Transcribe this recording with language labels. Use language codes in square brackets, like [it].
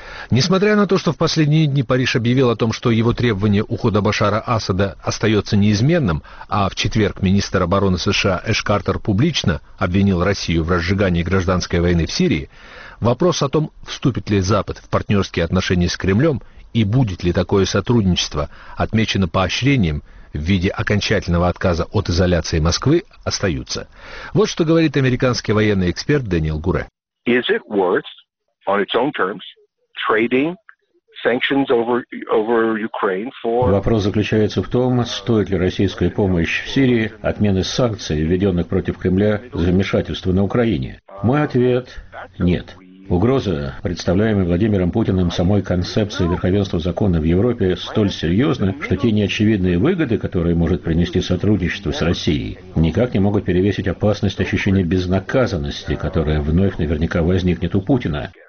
[ru] Несмотря на то, что в последние дни Париж объявил о том, что его требование ухода Башара Асада остается неизменным, а в четверг министр обороны США Эш Картер публично обвинил Россию в разжигании гражданской войны в Сирии, вопрос о том, вступит ли Запад в партнерские отношения с Кремлем и будет ли такое сотрудничество отмечено поощрением в виде окончательного отказа от изоляции Москвы, остаются. Вот что говорит американский военный эксперт Дэниел Гуре. [en] Is it worth, on its own terms, trading sanctions over Ukraine for... [ru] Вопрос заключается в том, стоит ли российская помощь в Сирии отмены санкций, введенных против Кремля, за вмешательство на Украине? Мой ответ – нет. Угроза, представляемая Владимиром Путиным самой концепцией верховенства закона в Европе, столь серьезна, что те неочевидные выгоды, которые может принести сотрудничество с Россией, никак не могут перевесить опасность ощущения безнаказанности, которая вновь наверняка возникнет у Путина.